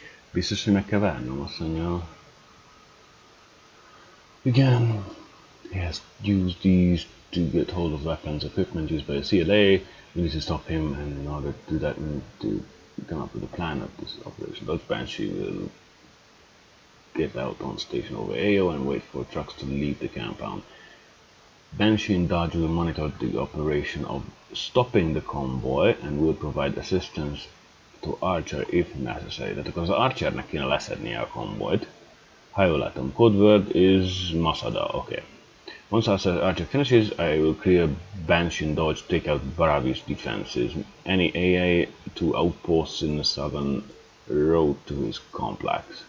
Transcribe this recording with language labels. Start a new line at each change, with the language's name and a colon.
Hungarian: Biztos, hogy meg kell várnom, azt mondja.
English: Again, he has used these to get hold of weapons, equipment used by the CLA. We need to stop him, and in order to do that, we need to come up with a plan of this operation. Dodge Banshee will get out on station over AO and wait for trucks to leave the compound. Banshee and Dodge will monitor the operation of stopping the convoy and will provide assistance to Archer if necessary.
Hungarian: Tehát akkor az Archernek kéne leszednie a konvojt. Ha jól látom,
English: code word is Masada,
Hungarian: oké.
English: Okay. Once Archer finishes, I will clear Banshee and Dodge, take out Bravi's defenses. Any AA to outposts in the southern road to his complex.